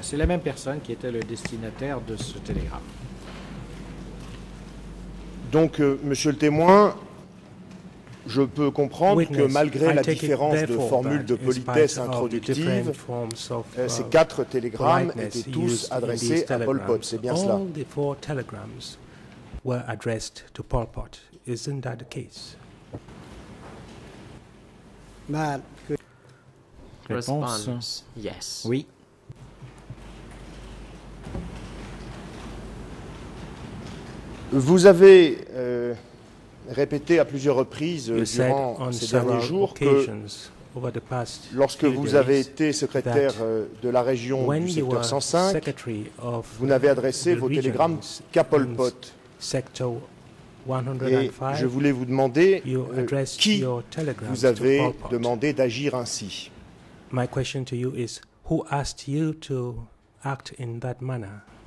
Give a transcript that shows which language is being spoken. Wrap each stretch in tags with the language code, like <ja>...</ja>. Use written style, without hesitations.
<fr>C'est la même personne qui était le destinataire de ce télégramme. Donc, monsieur le témoin, je peux comprendre que malgré la différence de formule de politesse introductive, ces quatre télégrammes étaient tous adressés à Pol Pot, c'est bien cela.</fr> <en>All the four telegrams were addressed to Pol Pot. Isn't that the case?</en> <fr>Réponse,</fr> <en>yes.</en> <fr>Oui. Vous avez répété à plusieurs reprises durant ces derniers jours que lorsque vous avez été secrétaire de la région du secteur 105, vous n'avez adressé vos télégrammes qu'à Pol Pot. Et je voulais vous demander qui vous avez demandé d'agir ainsi.</fr> <en>My question to you is, who asked you to act in that manner?</en>